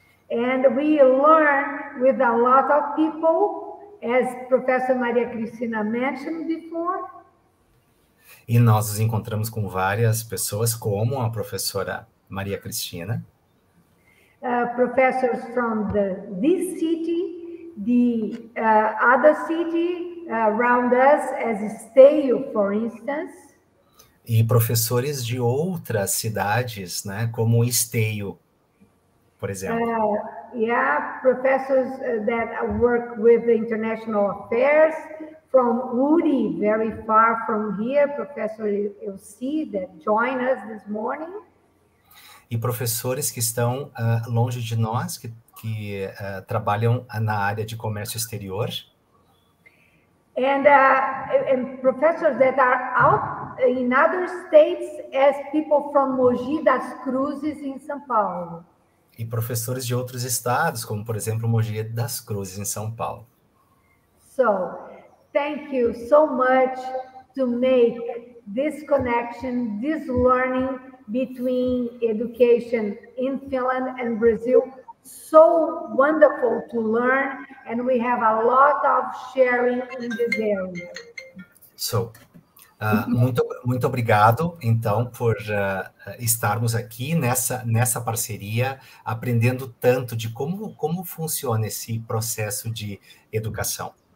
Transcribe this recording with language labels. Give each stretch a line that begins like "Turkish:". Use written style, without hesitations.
English: And we learned with a lot of people. As professor Maria Cristina mentioned before.
Portuguese: E nós nos encontramos com várias pessoas, como a professora Maria Cristina.
English: Professors from this city, the other city around us, as Esteio, for instance.
Portuguese: E professores de outras cidades, né, como Esteio, por exemplo.
English: Yeah, professors that work with the international affairs from Uri, very far from here, Professor Elci, that joined us this morning.
Portuguese: E professores que estão longe de nós, que trabalham na área de comércio exterior.
English: And professors that are out in other states as people from Mogi das Cruzes in São Paulo.
Portuguese: E professores de outros estados, como, por exemplo, Mogi das Cruzes, em São Paulo.
English: So, thank you so much to make this connection, this learning between education in Finland and Brazil so wonderful to learn, and we have a lot of sharing in this area.
Portuguese: So, muito obrigado, então, por estarmos aqui nessa parceria, aprendendo tanto de como funciona esse processo de educação.